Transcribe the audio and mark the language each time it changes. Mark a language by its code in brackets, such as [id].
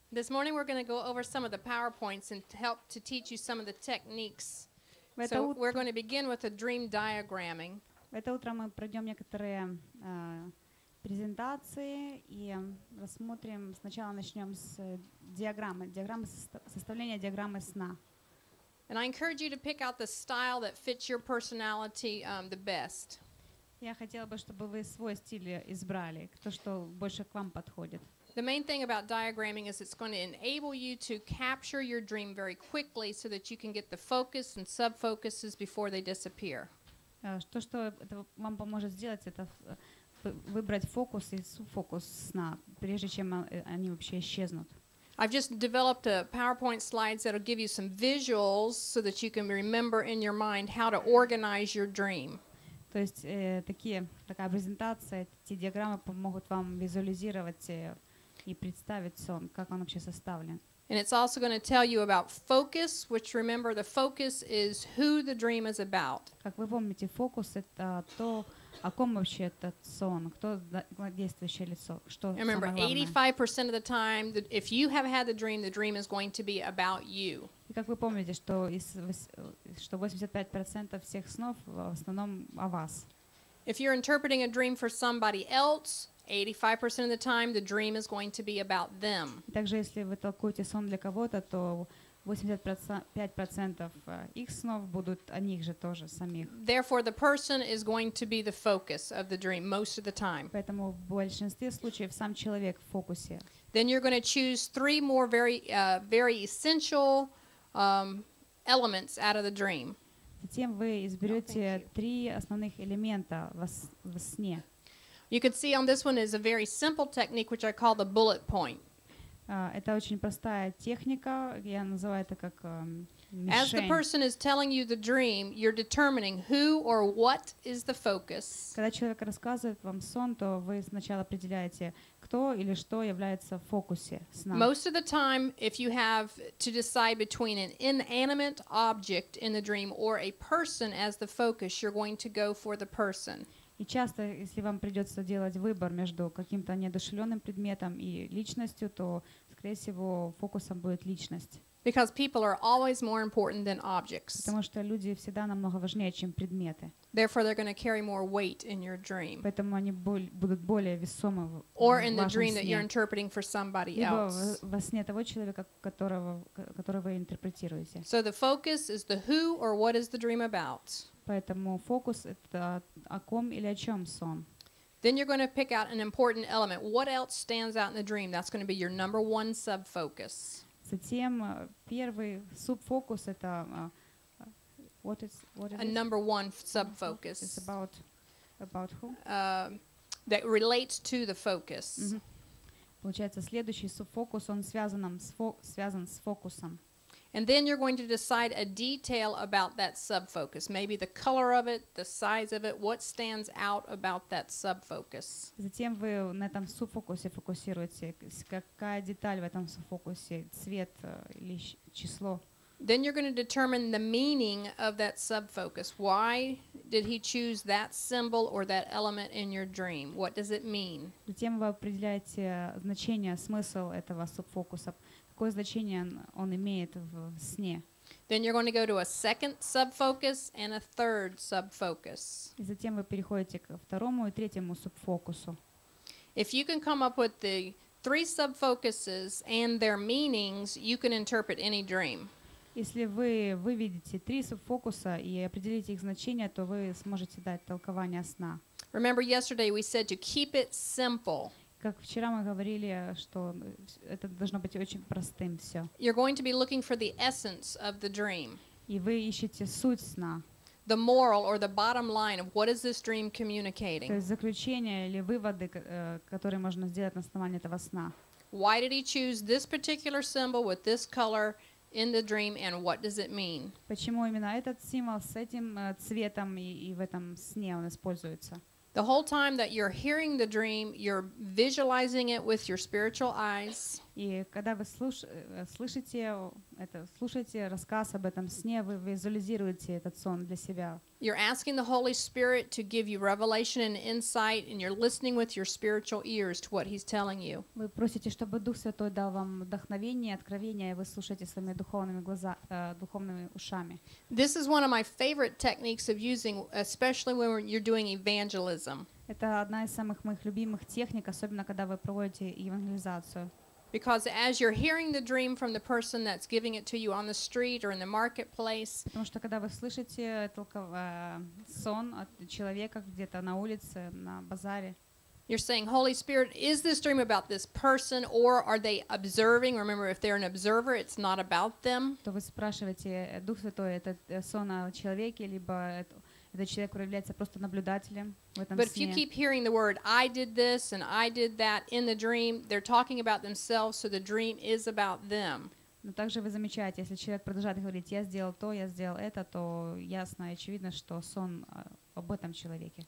[en] This morning we're going to go over some of the PowerPoints and help to teach you some of the techniques. So we're going to begin with a dream diagramming. [ru] Это утро мы пройдем некоторые презентации и рассмотрим. Сначала начнем с диаграммы, диаграммы составления диаграммы сна. [en] And I encourage you to pick out the style that fits your personality the best. [ru] Я хотела бы, чтобы вы свой стиль избрали, то, что больше к вам подходит. [en] The main thing about diagramming is it's going to enable you to capture your dream very quickly so that you can get the focus and sub-focuses before they disappear. [ru] Что это вам поможет сделать, это выбрать фокус и субфокус сна, прежде чем они вообще исчезнут. [en] I've just developed a PowerPoint slides that'll give you some visuals so that you can remember in your mind how to organize your dream. [ru] То есть такая презентация, эти диаграммы помогут вам визуализировать и представить сон, как он вообще составлен. [en] And it's also going to tell you about focus, which remember the focus is who the dream is about. [ru] Как вы помните, фокус это то, о ком вообще этот сон, кто действующее лицо, что самое [en] Remember, 85% of the time, if you have had the dream is going to be about you. [ru] И как вы помните, что 85% всех снов в основном о вас. [en] If you're interpreting a dream for somebody else, 85% of the time the dream is going to be about them. [ru] Также если вы толкуете сон для кого-то, то 85% их снов будут о них же тоже самих. [en] Therefore the person is going to be the focus of the dream most of the time. [ru] Поэтому в большинстве случаев сам человек в фокусе. [en] Then you're going to choose three more very essential elements out of the dream. [ru] Затем вы изберете три основных элемента в сне. [en] You can see on this one is a very simple technique, which I call the bullet point. [ru] Это очень простая техника, я называю это как мишень. [en] As the person is telling you the dream, you're determining who or what is the focus. [ru] Когда человек рассказывает вам сон, то вы сначала определяете, кто или что является в фокусе сна. [en] Most of the time, if you have to decide between an inanimate object in the dream or a person as the focus, you're going to go for the person. [ru] И часто, если вам придется делать выбор между каким-то неодушевленным предметом и личностью, то, скорее всего, фокусом будет личность. [en] Because people are always more important than objects. [ru] Потому что люди всегда намного важнее, чем предметы. [en] Therefore, they're going to carry more weight in your dream. [ru] Поэтому они будут более весомы в вашем сне. [en] Or in the dream that you're interpreting for somebody else. [ru] Либо во сне того человека, которого вы интерпретируете. [en] So the focus is the who or what is the dream about. [ru] Поэтому фокус — это о ком или о чем сон. [en] Then you're going to pick out an important element. What else stands out in the dream? That's going to be your number one sub-focus. [ru] Затем первый субфокус — это [en] what is a number one sub-focus. It's about who? That relates to the focus. Mm-hmm. [ru] Получается, следующий субфокус, он связан с фокусом. [en] And then you're going to decide a detail about that subfocus. Maybe the color of it, the size of it, what stands out about that subfocus. [ru] Затем вы на этом субфокусе фокусируете, какая деталь в этом субфокусе, цвет или число. [en] Then you're going to determine the meaning of that subfocus. Why did he choose that symbol or that element in your dream? What does it mean? [ru] Затем вы определяете значение, смысл этого субфокуса. Какое значение он имеет в сне. [en] Then you're going to go to a second subfocus and a third subfocus. [ru] И затем вы переходите ко второму и третьему субфокусу. [en] If you can come up with the three subfocuses and their meanings, you can interpret any dream. [ru] Если вы выведете три субфокуса и определите их значение, то вы сможете дать толкование сна. [en] Remember yesterday we said to keep it simple. [ru] Как вчера мы говорили, что это должно быть очень простым все. [en] You're going to be looking for the essence of the dream. [ru] И вы ищете суть сна. [en] The moral or the bottom line of what is this dream communicating. [ru] То есть заключение или выводы, которые можно сделать на основании этого сна. [en] Why did he choose this particular symbol with this color in the dream and what does it mean? [ru] Почему именно этот символ с этим цветом и в этом сне он используется? [en] The whole time that you're hearing the dream, you're visualizing it with your spiritual eyes. [ru] И когда вы слышите это, слушаете рассказ об этом сне, вы визуализируете этот сон для себя. [en] You're asking the Holy Spirit to give you revelation and insight, and you're listening with your spiritual ears to what He's telling you. [ru] Вы просите, чтобы Дух Святой дал вам вдохновение, откровение, и вы слушаете своими духовными духовными ушами. [en] This is one of my favorite techniques of using, especially when you're doing evangelism. [ru] Это одна из самых моих любимых техник, особенно когда вы проводите евангелизацию. [en] Because as you're hearing the dream from the person that's giving it to you on the street or in the marketplace, [ru] потому что когда вы слышите сон от человека где-то на улице, на базаре, [en] you're saying, Holy Spirit, is this dream about this person or are they observing? Remember, if they're an observer, it's not about them. [ru] То вы спрашиваете, Дух Святой, это сон о человеке, либо этот человек является просто наблюдателем в этом [en] But [ru] сне. [en] If you keep hearing the word I did this and I did that in the dream, they're talking about themselves, so the dream is about them. [ru] Но также вы замечаете, если человек продолжает говорить, я сделал то, я сделал это, то ясно и очевидно, что сон об этом человеке.